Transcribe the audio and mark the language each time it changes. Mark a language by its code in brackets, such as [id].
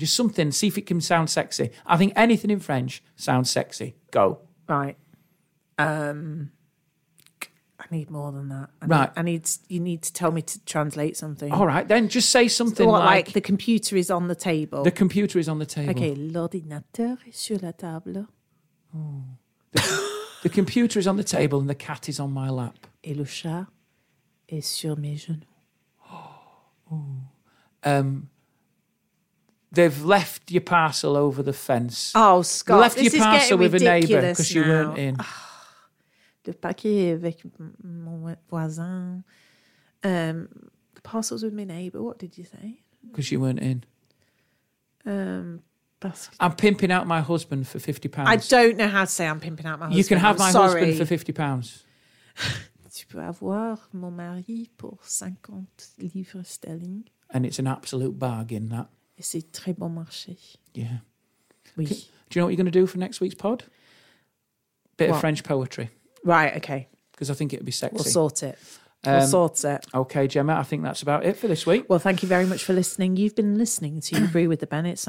[en] Just something, see if it can sound sexy. I think anything in French sounds sexy. Go. Right. I need more than that. You need to tell me to translate something. All right, then just say something like the computer is on the table. The computer is on the table. [fr] Okay, l'ordinateur est sur la table. [en] The computer is on the table and the cat is on my lap. [fr] Et le chat est sur mes genoux. [en] They've left your parcel over the fence. Oh, Scott, left your parcel with a neighbour because you weren't in. [fr] Le paquet avec mon voisin. [en] The parcels with my neighbour. What did you say? Because you weren't in. I'm pimping out my husband for £50. I don't know how to say I'm pimping out my husband. You can have my husband for £50. [fr] Tu peux avoir mon mari pour 50 livres sterling. [en] And it's an absolute bargain, that. [fr] Et c'est très bon marché. [en] Yeah. [fr] Oui. [en] Do you know what you're going to do for next week's pod? Bit of French poetry. Right, okay. Because I think it would be sexy. We'll sort it. We'll sort it. Okay, Gemma, I think that's about it for this week. Well, thank you very much for listening. You've been listening to Brew with the Bennetts.